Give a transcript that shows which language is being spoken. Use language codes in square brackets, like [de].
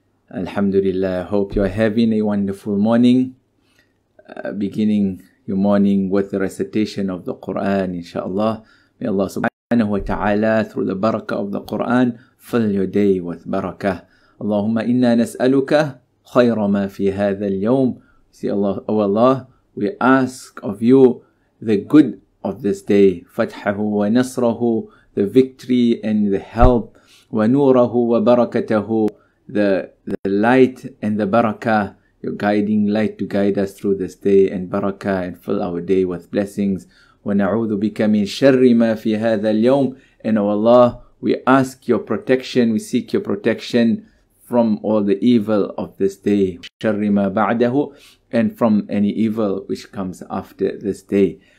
[ar] الحمد لله. [en] Hope you are having a wonderful morning. Beginning your morning with the recitation of the Quran, inshallah. May Allah subhanahu wa ta'ala through the barakah of the Quran fill your day with barakah. [ar] اللهم إنا نسألك خير ما في هذا اليوم. [en] See Allah, O Allah, we ask of you the good of this day. [ar] فتحه ونصره, [en] the victory and the help. [ar] ونوره وبركته, [en] the light and the barakah, your guiding light to guide us through this day and barakah and fill our day with blessings. [ar] ونعوذ بك من شر ما في هذا اليوم. [en] And O Allah, we ask your protection, we seek your protection from all the evil of this day, sharrima ba'dahu, and from any evil which comes after this day.